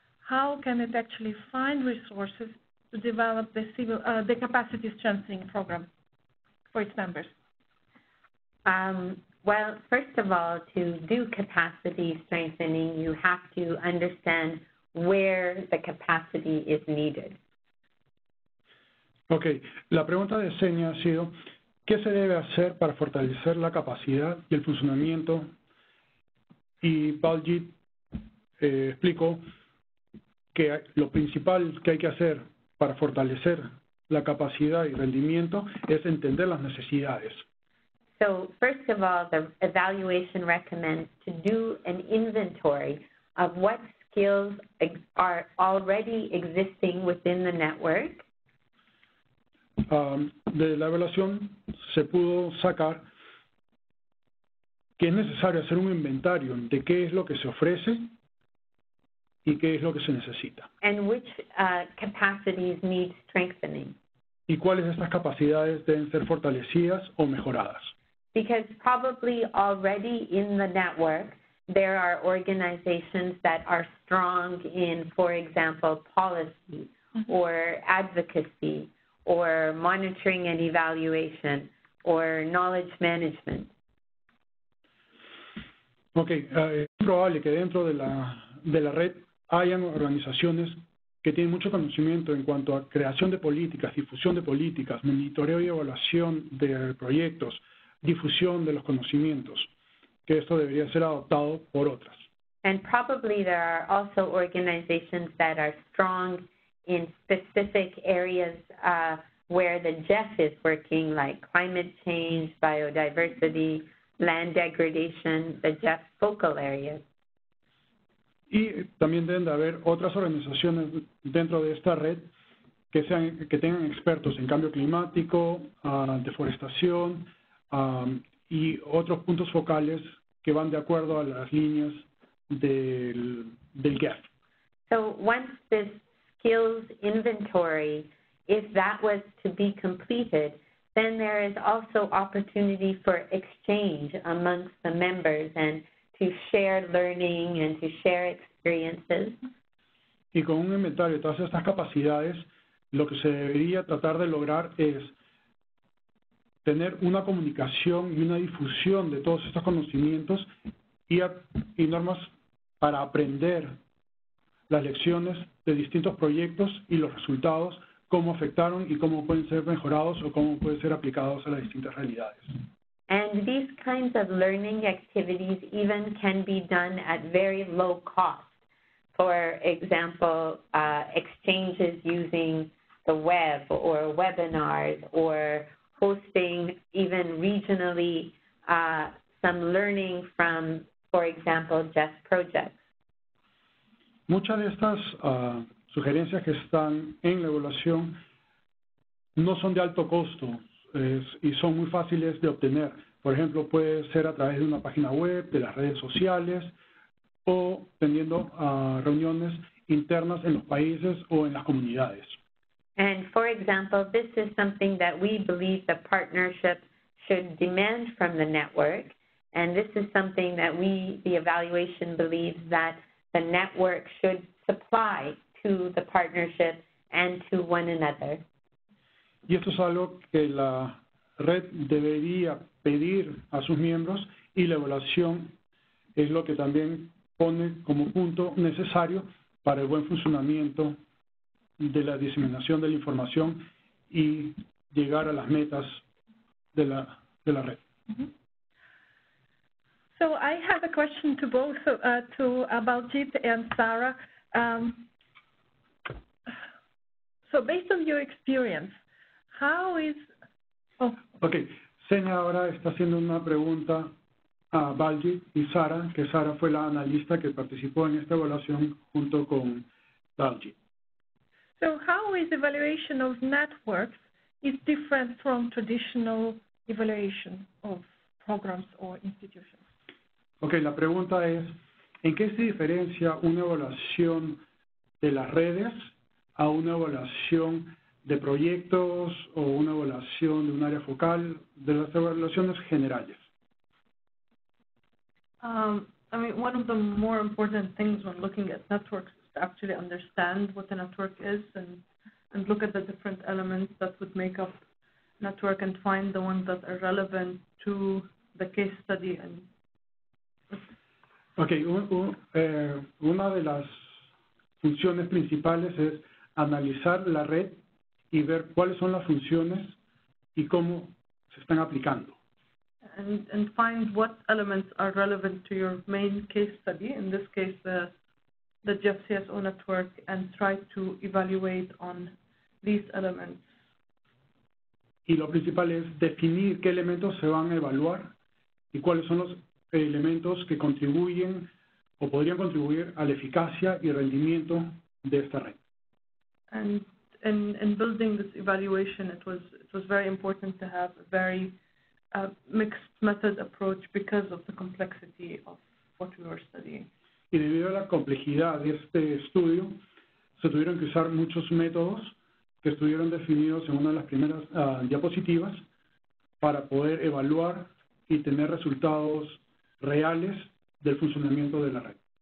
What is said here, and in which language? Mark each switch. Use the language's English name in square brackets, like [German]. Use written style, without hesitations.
[English] How can it actually find resources to develop the civil the capacity strengthening program for its members? Well, first of all, to do capacity strengthening, you have to understand where the capacity is needed. Okay. [Spanish] La pregunta de Zenia ha sido, ¿qué se debe hacer para fortalecer la capacidad y el funcionamiento? Y Baljit explicó que lo principal que hay que hacer para fortalecer la capacidad y rendimiento es entender las necesidades. [English] So, first of all, the evaluation recommends to do an inventory of what skills are already existing within the network. [Spanish] De la evaluación se pudo sacar que es necesario hacer un inventario de qué es lo que se ofrece y qué es lo que se necesita. [English] And which capacities need strengthening. [Spanish] Y cuáles de estas capacidades deben ser fortalecidas o mejoradas. [English] Because probably already in the network, there are organizations that are strong in, for example, policy or advocacy or monitoring and evaluation or knowledge management. [Spanish] Okay, es probable que dentro de la red hayan organizaciones que tienen mucho conocimiento en cuanto a creación de políticas, difusión de políticas, monitoreo y evaluación de proyectos, difusión de los conocimientos, que esto debería ser adoptado por otras. [English] And probably there are also organizations that are strong in specific areas where the GEF is working, like climate change, biodiversity, land degradation, the GEF focal areas. [Spanish] Y también deben de haber otras organizaciones dentro de esta red que tengan expertos en cambio climático, deforestación, y otros puntos focales que van de acuerdo a las líneas del GEF. [English] So once this skills inventory, if that was to be completed, then there is also opportunity for exchange amongst the members and to share learning and to share experiences. [Spanish] Y con un inventario de todas estas capacidades, lo que se debería tratar de lograr es tener una comunicación y una difusión de todos estos conocimientos y normas para aprender las lecciones de distintos proyectos y los resultados, cómo afectaron y cómo pueden ser mejorados o cómo pueden ser aplicados a las distintas realidades. [English] And these kinds of learning activities even can be done at very low cost. For example, exchanges using the web or webinars or hosting even regionally some learning from, for example, GEF projects. [Spanish] Muchas de estas sugerencias que están en la evaluación no son de alto costo y son muy fáciles de obtener. Por ejemplo, puede ser a través de una página web, de las redes sociales o teniendo reuniones internas en los países o en las comunidades. [English] And for example, this is something that we believe the partnership should demand from the network. And this is something that we, the evaluation, believes that the network should supply to the partnership and to one another. [Spanish] Y esto es algo que la red debería pedir a sus miembros, y la evaluación es lo que también pone como punto necesario para el buen funcionamiento de la diseminación de la información y llegar a las metas de la red. [English] So I have a question to both to Baljit and Sarah. So based on your experience, how is [Spanish] Okay, Senia ahora está haciendo una pregunta a Baljit y Sara, que Sara fue la analista que participó en esta evaluación junto con Baljit. [English] So how is evaluation of networks is different from traditional evaluation of programs or institutions? [Spanish] Okay, la pregunta es, ¿en qué se diferencia una evaluación de las redes a una evaluación de proyectos o una evaluación de un área focal de las evaluaciones generales? [English] I mean, one of the more important things when looking at networks is to actually understand what a network is and look at the different elements that would make up a network and find the ones that are relevant to the case study. And [Spanish] okay, una de las funciones principales es analizar la red y ver cuáles son las funciones y cómo se están aplicando. [English] And find what elements are relevant to your main case study, in this case the GEF-CSO network, and try to evaluate on these elements. [Spanish] Y lo principal es definir qué elementos se van a evaluar y cuáles son los elementos que contribuyen o podrían contribuir a la eficacia y rendimiento de esta red. [English] And in building this evaluation, it was very important to have a very mixed method approach because of the complexity of what we were studying. [Spanish] Y debido a la complejidad de este estudio, se tuvieron que usar muchos métodos que estuvieron definidos en una de las primeras diapositivas para poder evaluar y tener resultados reales del funcionamiento de la red.